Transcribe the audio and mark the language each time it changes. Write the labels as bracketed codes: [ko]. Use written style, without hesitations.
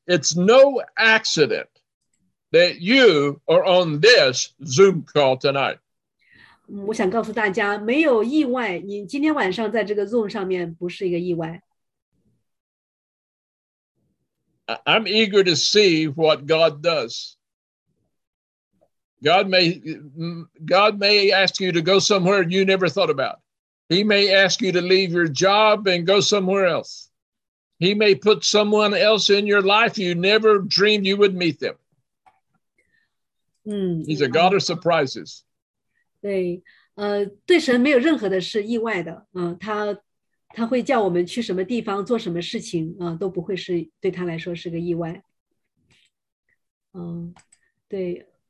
[en] It's no accident that you are on this Zoom call tonight. [zh] 我想告诉大家，没有意外，你今天晚上在这个 Zoom 上面不是一个意外。 [en] I'm eager to see what God does. God may ask you to go somewhere you never thought about. He may ask you to leave your job and go somewhere else. He may put someone else in your life you never dreamed you would meet them. He's a God of surprises. [zh] 对，对神没有任何的是意外的。他会叫我们去什么地方做什么事情，都不会是对他来说是个意外。对。